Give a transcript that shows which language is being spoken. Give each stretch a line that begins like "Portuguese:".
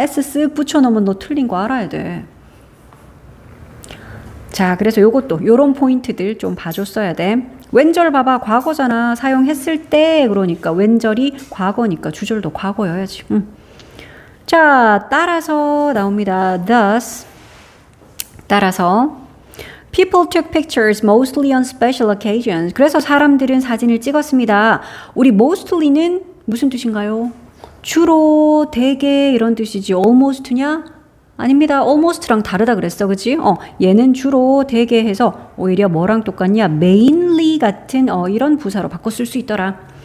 Korean: S 쓱 붙여놓으면 너 틀린 거 알아야 돼. 자, 그래서 요것도 요런 포인트들 좀 봐줬어야 돼. 왼절 봐봐. 과거잖아. 사용했을 때 그러니까 왼절이 과거니까 주절도 과거여야지. 자, 따라서 나옵니다.
English: Thus,
Korean: 따라서
English: People took pictures mostly on special occasions.
Korean: 그래서 사람들은 사진을 찍었습니다. 우리 mostly는 무슨 뜻인가요? 주로, 대개 이런 뜻이지. almost냐? 아닙니다. almost랑 다르다 그랬어. 그치? 얘는 주로, 대개 해서 오히려 뭐랑 똑같냐? mainly 같은 이런 부사로 바꿔 쓸 수 있더라.